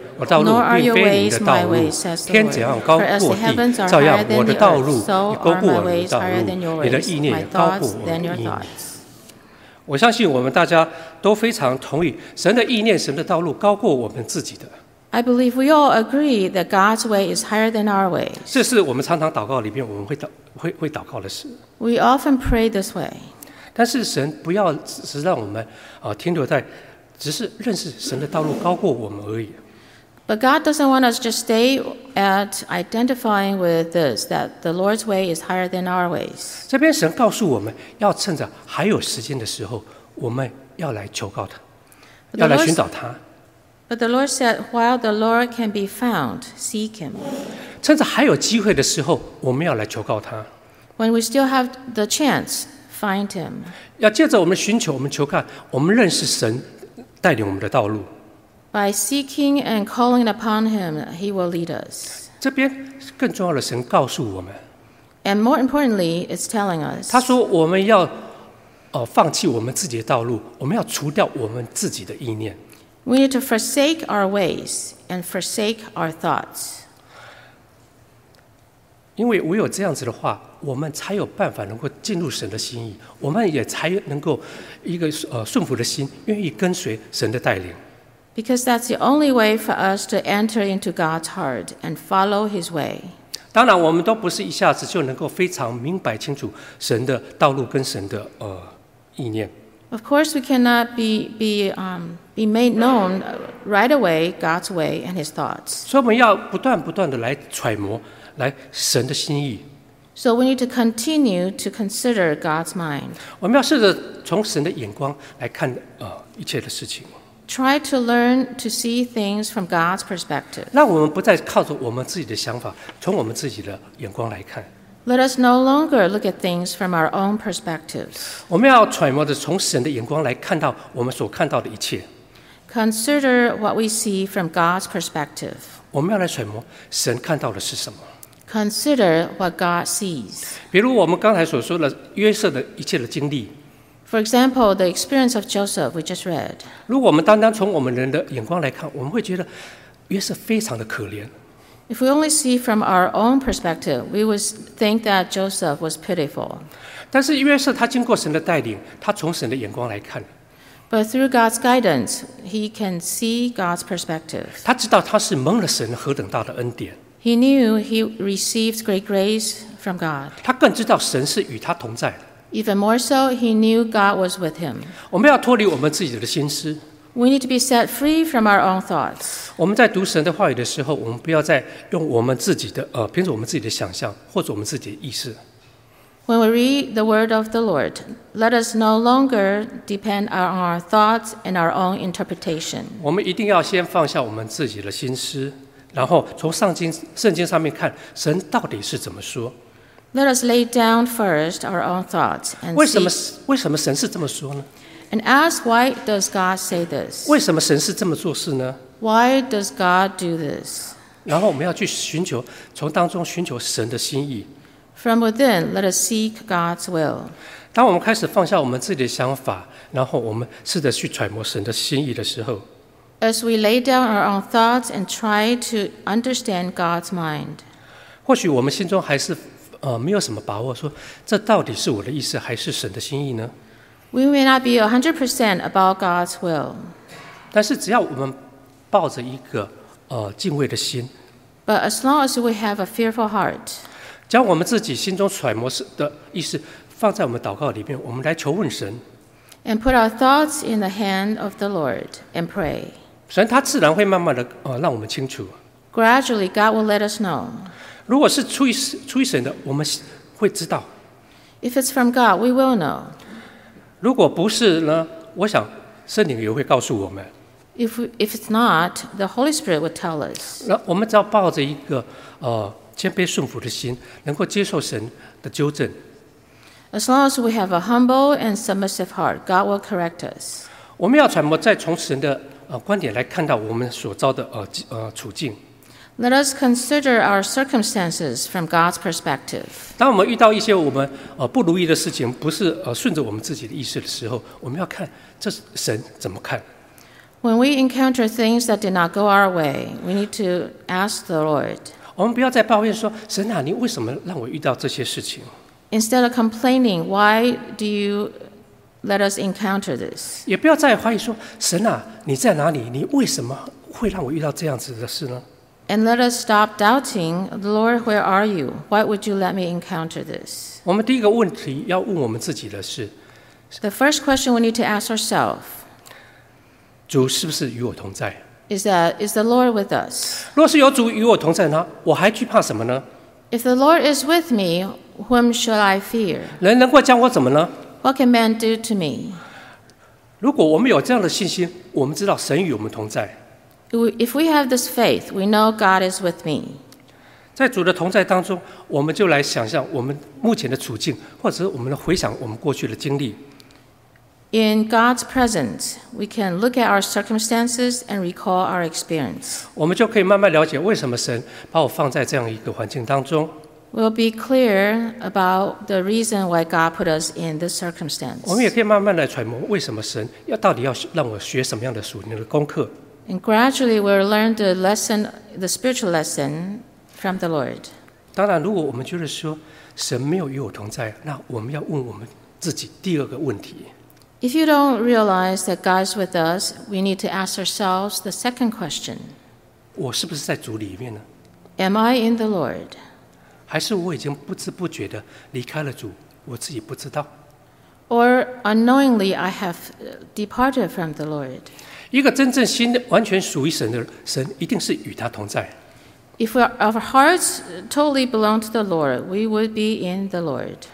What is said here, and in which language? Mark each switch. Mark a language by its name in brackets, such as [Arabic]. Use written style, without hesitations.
[English] Nor are your ways my ways, says the Lord. For as the heavens are higher than the earth, so are my ways higher than your ways, my thoughts than your thoughts. [Chinese] 我相信我们大家都非常同意，神的意念、神的道路高过我们自己的。 [English] I believe we all agree that God's way is higher than our way. [Chinese] 这是我们常常祷告里面我们会祷告的事。 [English] We often pray this way. [Chinese] 但是神不要只让我们停留在只是认识神的道路高过我们而已。 [English] But God doesn't want us to stay at identifying with this, that the Lord's way is higher than our ways. [Chinese] 这边神告诉我们要趁着还有时间的时候我们要来求告他要来寻找他。 [English] But the Lord said, while the Lord can be found, seek him. [Chinese] 趁着还有机会的时候我们要来求告他。 [English] When we still have the chance, find him. [Chinese] 要借着我们寻求我们求告我们认识神带领我们的道路。 [English] By seeking and calling upon him, he will lead us. [Chinese] 这边更重要的神告诉我们。 [English] And more importantly, it's telling us. [Chinese] 他说我们要放弃我们自己的道路我们要除掉我们自己的意念。 [English] We need to forsake our ways and forsake our thoughts. [Chinese] 因为唯有这样子的话我们才有办法能够进入神的心意我们也才能够一个顺服的心愿意跟随神的带领。 [English] Because that's the only way for us to enter into God's heart and follow his way. [Chinese] 当然我们都不是一下子就能够非常明白清楚神的道路跟神的意念。 [English] Of course, we cannot be made known right away God's way and his thoughts. [Chinese] 所以我们要不断不断地来揣摩来神的心意。 [English] So we need to continue to consider God's mind. [Chinese] 我们要试着从神的眼光来看一切的事情。 [English] Try to learn to see things from God's perspective. [Chinese] 让我们不再靠着我们自己的想法从我们自己的眼光来看。 [English] Let us no longer look at things from our own perspectives. [Chinese] 我们要揣摩着从神的眼光来看到我们所看到的一切。 [English] Consider what we see from God's perspective. [Chinese] 我们要来揣摩神看到的是什么。 [English] Consider what God sees. [Chinese] 比如我们刚才所说的约瑟的一切的经历。 [English] For example, the experience of Joseph we just read. [Chinese] 如果我们单单从我们人的眼光来看，我们会觉得约瑟非常的可怜。 [English] If we only see from our own perspective, we would think that Joseph was pitiful. [Chinese] 但是约瑟他经过神的带领，他从神的眼光来看。 [English] But through God's guidance, he can see God's perspective. [Chinese] 他知道他是蒙了神何等大的恩典。 [English] He knew he received great grace from God. [Chinese] 他更知道神是与他同在。 [English] Even more so, he knew God was with him. [Chinese] 我们要脱离我们自己的心思。 [English] We need to be set free from our own thoughts. [Chinese] 我们在读神的话语的时候，我们不要再用我们自己的凭着我们自己的想象或者我们自己的意识。 [English] When we read the word of the Lord, let us no longer depend on our thoughts and our own interpretation. [Chinese] 我们一定要先放下我们自己的心思，然后从圣经上面看神到底是怎么说。 [English] Let us lay down first our own thoughts and see. [Chinese] 为什么神是这么说呢？ [English] And ask, why does God say this? [Chinese] 为什么神是这么做事呢? [English] Why does God do this? [Chinese] 然后我们要去寻求，从当中寻求神的心意。 [English] From within, let us seek God's will. [Chinese] 当我们开始放下我们自己的想法，然后我们试着去揣摩神的心意的时候。 [English] As we lay down our own thoughts and try to understand God's mind. [Chinese] 或许我们心中还是没有什么把握，说这到底是我的意思，还是神的心意呢？ [English] We may not be 100% about God's will. [Chinese] 但是只要我们抱着一个敬畏的心。 [English] But as long as we have a fearful heart. [Chinese] 将我们自己心中揣摩的意思放在我们祷告里面，我们来求问神。 [English] And put our thoughts in the hand of the Lord and pray. [Chinese] 神他自然会慢慢的让我们清楚。 [English] Gradually, God will let us know. [Chinese] 如果是出于神的，我们会知道。 [English] If it's from God, we will know. [Chinese] 如果不是呢？我想圣灵也会告诉我们。 [English] If it's not, the Holy Spirit would tell us. [Chinese] 那我们只要抱着一个谦卑顺服的心，能够接受神的纠正。 [English] As long as we have a humble and submissive heart, God will correct us. [Chinese] 我们要揣摩，再从神的观点来看到我们所遭的处境。 [English] Let us consider our circumstances from God's perspective. [Chinese] 当我们遇到一些我们不如意的事情，不是顺着我们自己的意思的时候，我们要看这神怎么看。 [English] When we encounter things that did not go our way, we need to ask the Lord. [Chinese] 我们不要再抱怨说，神啊，你为什么让我遇到这些事情？ [English] Instead of complaining, why do you let us encounter this? [Chinese] 也不要再怀疑说，神啊，你在哪里？你为什么会让我遇到这样子的事呢？ [English] And let us stop doubting, Lord, where are you? Why would you let me encounter this? [Chinese] 我们第一个问题要问我们自己的是 [English] The first question we need to ask ourselves. [Chinese] 主是不是与我同在？ [English] Is the Lord with us? [Chinese] 若是有主与我同在呢，我还惧怕什么呢？ [English] If the Lord is with me, whom should I fear? [Chinese] 人能够将我怎么呢？ [English] What can man do to me? [Chinese] 如果我们有这样的信心，我们知道神与我们同在。 [English] If we have this faith, we know God is with me. [Chinese] 在主的同在当中，我们就来想象我们目前的处境，或者是我们来回想我们过去的经历。 [English] In God's presence, we can look at our circumstances and recall our experience. [Chinese] 我们就可以慢慢了解为什么神把我放在这样一个环境当中。 [English] We'll be clear about the reason why God put us in this circumstance. [Chinese] 我们也可以慢慢来揣摩为什么神要到底要让我学什么样的属灵的功课。 [English] And gradually we'll learn the lesson, the spiritual lesson from the Lord. [Chinese] 当然，如果我们觉得说神没有与我同在，那我们要问我们自己第二个问题。 [English] If you don't realize that God's with us, we need to ask ourselves the second question. [Chinese] 我是不是在主里面呢？ [English] Am I in the Lord? [Chinese] 还是我已经不知不觉地离开了主，我自己不知道。 [English] Or unknowingly, I have departed from the Lord. [Chinese] 一个真正心完全属于神的神，一定是与他同在。 [English] If our hearts totally belong to the Lord, we would be in the Lord.